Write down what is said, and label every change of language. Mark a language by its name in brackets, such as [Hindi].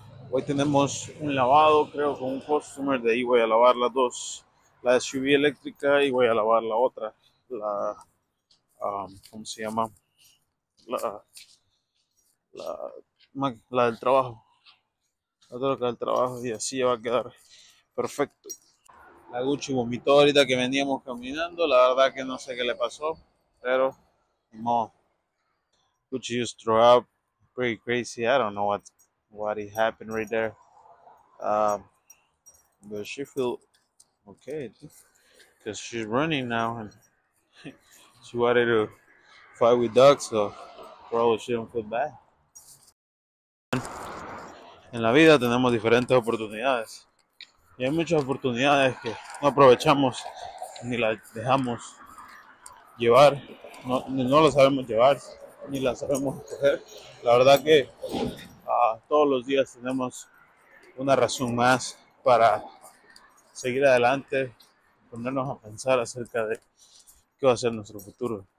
[Spanish] Hoy tenemos un lavado, creo, con un customer. De ahí voy a lavar las dos, la SUV eléctrica, y voy a lavar la otra, la del trabajo. La troca del trabajo, y así va a quedar perfecto. La Gucci vomitó ahorita que veníamos caminando. La verdad que no sé qué le pasó, pero ni modo. [English] Gucci just threw up. Pretty crazy. I don't know what it happened right there. But she feel okay, because she's running now and she wanted to fight with dogs, so probably she don't feel bad. [Spanish] En la vida tenemos diferentes oportunidades, y hay muchas oportunidades que no aprovechamos ni las dejamos llevar, no las sabemos llevar ni las sabemos escoger. La verdad que todos los días tenemos una razón más para seguir adelante, ponernos a pensar acerca de qué va a ser nuestro futuro.